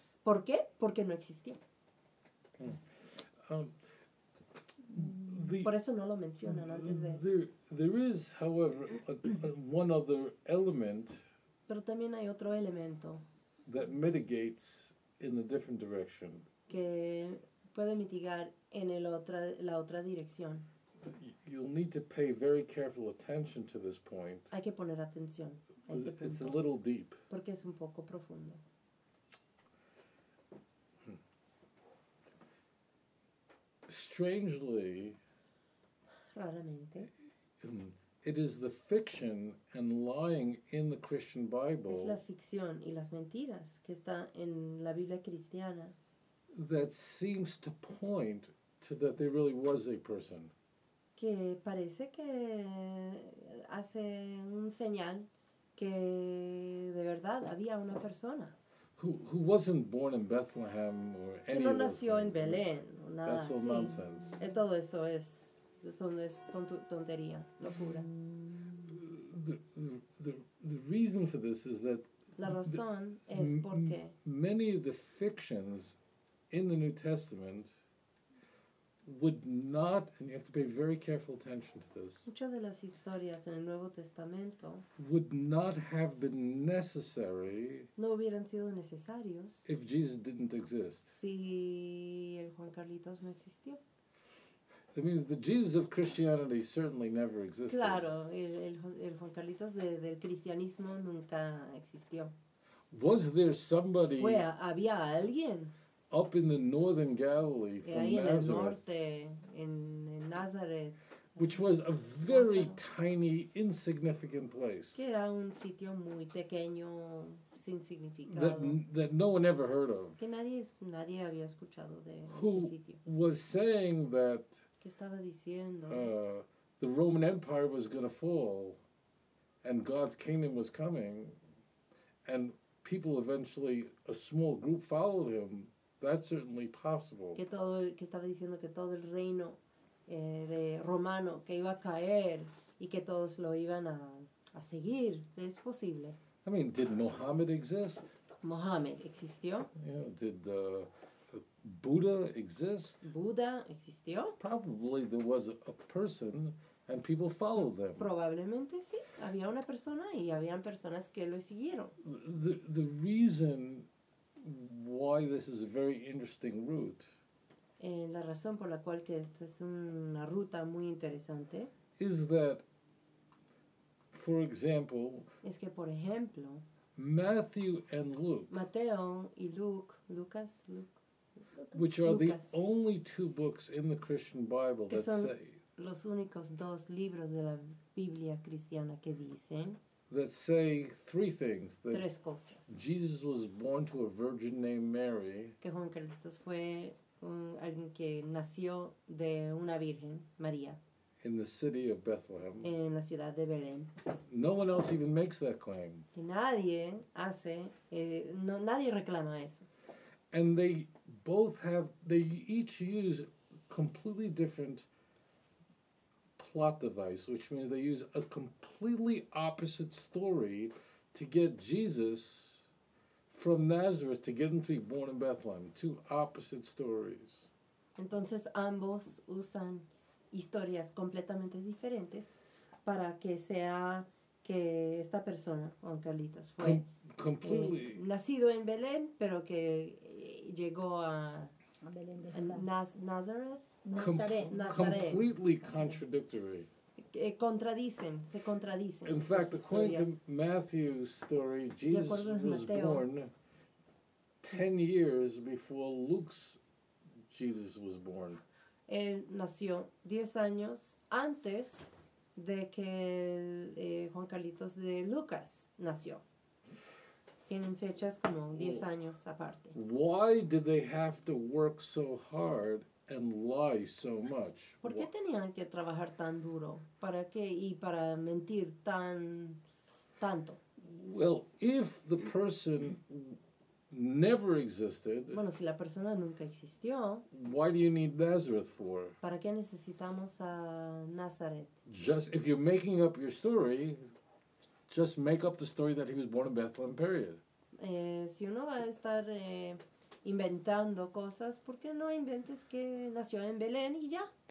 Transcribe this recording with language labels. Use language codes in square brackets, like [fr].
[es] ¿Por qué? Porque no existía. Por eso no lo mencionan antes de eso. [en] There is, however, one other element. [es] Pero también hay otro elemento. [en] That mitigates in a different direction. [es] Que puede mitigar en el otra, la otra dirección. [en] You'll need to pay very careful attention to this point. [es] Hay que poner atención a este punto. [en] It's a little deep. [es] Porque es un poco profundo. [en] Strangely, [es] raramente, [en] it is the fiction and lying in the Christian Bible. [es] Es la ficción y las mentiras que está en la Biblia cristiana. [en] That seems to point to that there really was a person. [es] Que parece que hace un señal que de verdad había una persona. [en] Who wasn't born in Bethlehem or que any no of nació things. En Belén. Nada. That's all [es] sí. [en] Nonsense. [es] Y todo eso es tontería, locura. [en] The reason for this is that [es] la razón es porque [en] many of the fictions in the New Testament would not, and you have to pay very careful attention to this, [es] muchas de las historias en el Nuevo Testamento [en] would not have been necessary, [es] no hubieran sido necesarios, [en] if Jesus didn't exist. [es] Si el Juan Carlitos no existió. [en] That means the Jesus of Christianity certainly never existed. [es] Claro, el Juan Carlitos del cristianismo nunca existió. [en] Was there somebody? [es] Había alguien. [en] Up in the northern Galilee from [es] ahí en [en] Nazareth, [es] el norte, en Nazareth, [en] which was a very Nazareth. Tiny, insignificant place. [es] Que era un sitio muy pequeño, sin significado. [en] That no one ever heard of. [es] Que nadie había escuchado de [en] who [es] este sitio. [en] Who was saying that [es] que estaba diciendo, [en] the Roman Empire was going to fall and God's kingdom was coming and people eventually, a small group followed him. That's certainly possible. [es] Que todo el, que estaba diciendo que todo el reino de romano que iba a caer y que todos lo iban a seguir, es posible. [en] I mean, did Mohammed exist? [es] Mohammed existió. [en] Yeah, did Buddha exist? [es] Buddha existió. [en] Probably there was a person and people followed them. [es] Probablemente sí, había una persona y habían personas que lo siguieron. [en] The reason why this is a very interesting route. [es] La razón por la cual que esta es una ruta muy interesante [en] is that, for example, [es] es que por ejemplo, [en] Matthew and Luke, [es] Mateo y Luke, Lucas, Luke, [en] which are [es] Lucas, [en] the only two books in the Christian Bible [es] que [en] that [es] son [en] say [es] los únicos dos libros de la Biblia cristiana que dicen [en] that say three things. That [es] tres cosas. [en] Jesus was born to a virgin named Mary. [es] Que Juan Carlitos fue alguien que nació de una virgen, María. [en] In the city of Bethlehem. [es] En la ciudad de Belén. [en] No one else even makes that claim. [es] Que nadie hace, nadie reclama eso. [en] And they both have, they each use completely different plot device, which means they use a completely opposite story to get Jesus from Nazareth to get him to be born in Bethlehem. Two opposite stories. [es] Entonces ambos usan historias completamente diferentes para que sea que esta persona, Juan Carlitos, fue [en] completely [es] nacido en Belén, pero que llegó a Belén de Nazareth. [en] Completely contradictory. [es] Contradicen, se contradicen. [en] In fact, according to Matthew's story, Jesus was born 10 years before Luke's Jesus was born. [es] Él nació 10 años antes de que Juan Carlitos de Lucas nació. Tienen fechas como 10 años aparte. [en] Why did they have to work so hard and lie so much. [es] ¿Por qué tenían que trabajar tan duro? ¿Para qué? ¿Y para mentir tanto? [en] Well, if the person never existed, [es] bueno, si la persona nunca existió, [en] why do you need Nazareth for? [es] ¿Para qué necesitamos a Nazaret? [en] Just, if you're making up your story, just make up the story that he was born in Bethlehem, period. [es] Si uno va a estar inventando cosas, ¿por qué no inventes que nació en Belén y ya?